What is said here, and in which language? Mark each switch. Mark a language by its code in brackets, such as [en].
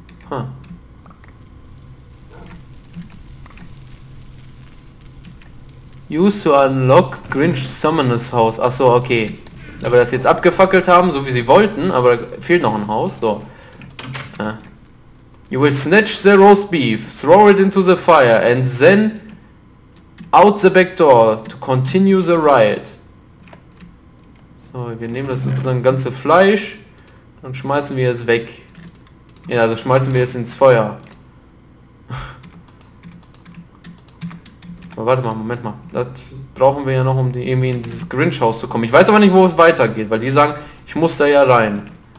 [en] Huh. Use to unlock Grinch Summoner's House. [de] Achso, okay. Da wir das jetzt abgefackelt haben, so wie sie wollten, aber da fehlt noch ein Haus, so. [en] You will snatch the roast beef, throw it into the fire, and then out the back door to continue the ride. [de] So, wir nehmen das sozusagen ganze Fleisch und schmeißen wir es weg. Ja, also schmeißen wir es ins Feuer. Aber warte mal, Moment mal. Das brauchen wir ja noch, um irgendwie in dieses Grinch-Haus zu kommen. Ich weiß aber nicht, wo es weitergeht, weil die sagen, ich muss da ja rein.